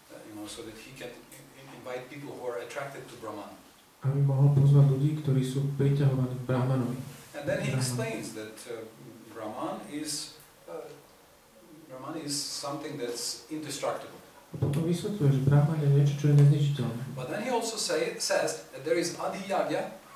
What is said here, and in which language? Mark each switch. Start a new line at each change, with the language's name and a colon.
English: You know, so that he can invite people who are attracted to Brahman.
Slovak: Aby mohol pozvať ľudí, ktorí sú priťahovaní k Brahmanovi.
English: And then he explains that Brahman is something that's indestructible.
Slovak: A potom vysvetľuje, že Brahman je niečo, čo je nezničiteľné.
English: But then he also says that there is adiyagya.